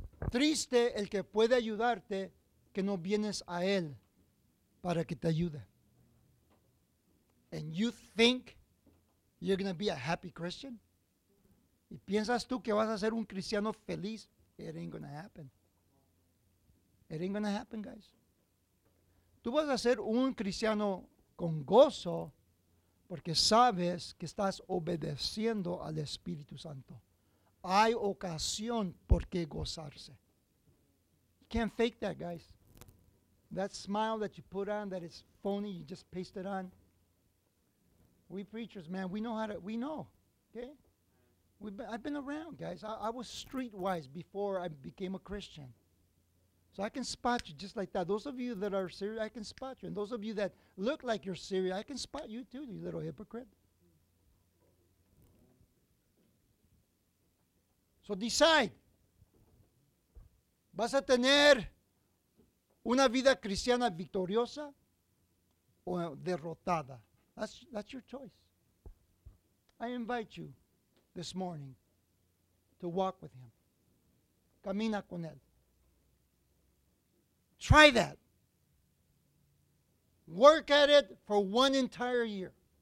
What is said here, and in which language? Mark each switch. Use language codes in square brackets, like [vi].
[es] Triste el que puede ayudarte que no vienes a él para que te ayude. [en] And you think you're going to be a happy Christian? [es] ¿Y piensas tú que vas a ser un cristiano feliz? [en] It ain't going to happen. It ain't going to happen, guys. [es] Tú vas a ser un cristiano con gozo porque sabes que estás obedeciendo al Espíritu Santo. Hay ocasión por qué gozarse. [en] You can't fake that, guys. That smile that you put on, that is phony, you just paste it on. We preachers, man, we know how to, we know, okay? I've been around, guys. I was streetwise before I became a Christian. So I can spot you just like that. Those of you that are serious, I can spot you. And those of you that look like you're serious, I can spot you too, you little hypocrite. So decide. [es] ¿Vas a tener una vida cristiana victoriosa o derrotada? [en] That's your choice. I invite you this morning to walk with him. [es] Camina con él. [en] Try that. Work at it for one entire year.